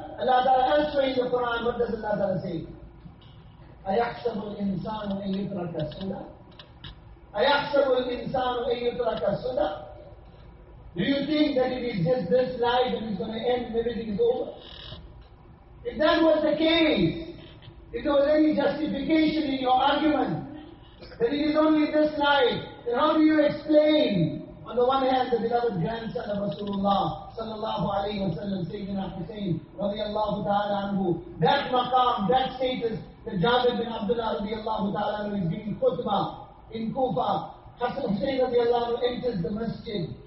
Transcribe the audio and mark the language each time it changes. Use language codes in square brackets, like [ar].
[en] Allah Ta'ala answers in the Quran. What does Allah Ta'ala say? [ar] أَيَحْسَبُ الْإِنسَانُ أَن يُتْرَكَ سُدًى? أَيَحْسَبُ الْإِنسَانُ أَن يُتْرَكَ سُدًى? [en] Do you think that it is just this life and it's going to end and everything is over? If that was the case, if there was any justification in your argument that it is only this life, then how do you explain, on the one hand, the beloved grandson of Rasulullah sallallahu alayhi wa sallam, Sayyidina Hussain radiyallahu ta'ala anhu, that maqam, that status, that Jabir bin Abdullah radiyallahu ta'ala anhu is giving khutbah in Kufa, Hassan Hussain radiyallahu anhu enters the masjid.